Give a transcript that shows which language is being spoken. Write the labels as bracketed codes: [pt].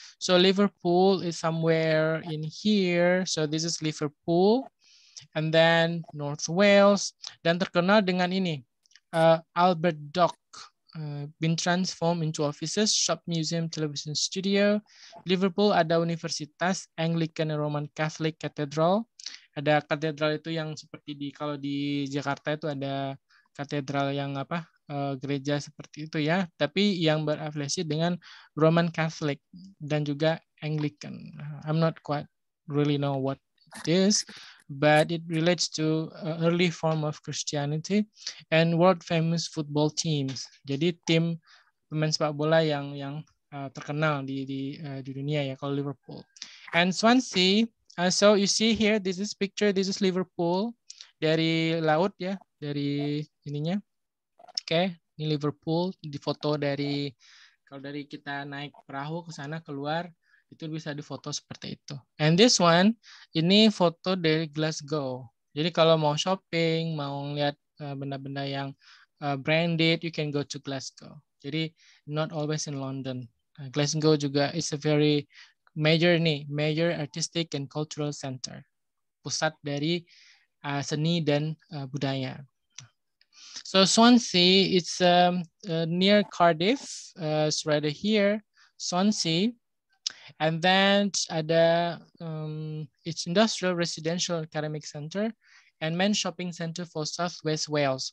[en] So Liverpool is somewhere in here. So this is Liverpool, and then North Wales. [id] Dan terkenal dengan ini, [en] Albert Dock. Been transformed into offices, shop, museum, television studio. Liverpool [id] ada universitas, [en] Anglican and Roman Catholic Cathedral. [id] Ada katedral itu yang seperti di, kalau di Jakarta itu ada katedral yang apa, gereja seperti itu ya. Tapi yang berafiliasi dengan Roman Catholic dan juga Anglican. [en] I'm not quite really know what it is, but it relates to early form of Christianity and world famous football teams. [id] Jadi tim pemain sepak bola yang terkenal di dunia ya, kalau Liverpool. [en] And Swansea, so you see here, this is picture, this is Liverpool [id] dari laut ya, dari ininya. Oke, okay, ini Liverpool di foto dari, kalau dari kita naik perahu ke sana keluar itu bisa difoto seperti itu. [en] And this one, [id] ini foto dari Glasgow. Jadi kalau mau shopping, mau lihat benda-benda yang branded, [en] you can go to Glasgow. Jadi not always in London. Glasgow juga is a very major nih, major artistic and cultural center. [id] Pusat dari seni dan budaya. [en] So Swansea, it's near Cardiff, it's right here, Swansea. And then ada its industrial residential academic center and main shopping center for Southwest Wales.